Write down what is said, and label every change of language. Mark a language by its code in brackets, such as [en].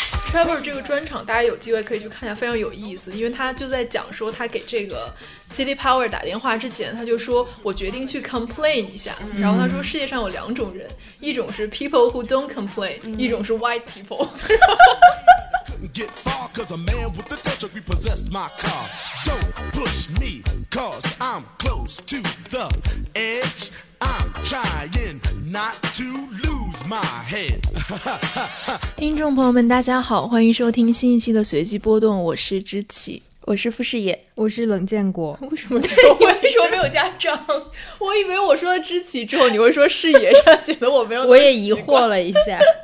[zh] Trevor 这个专场大家有机会可以去看一下，非常有意思，因为他就在讲说他给这个 City Power 打电话之前他就说我决定去 complain 一下、嗯、然后他说世界上有两种人，一种是 [en] people who don't complain、嗯、 [zh] 一种是 [en] white people、嗯Get far, cause a man with the touch of repossessed my car. Don't push me, cause I'm close to the edge. I'm trying not to lose my head. [zh] 听众朋友们大家好，欢迎收听新一期的随机波动，我是知棋。我是傅士野。我是冷建国。为什么这么会？你为什么没有加张？我以为我说了知棋之后你会说视野，这样显得我没有。我也疑惑了一下。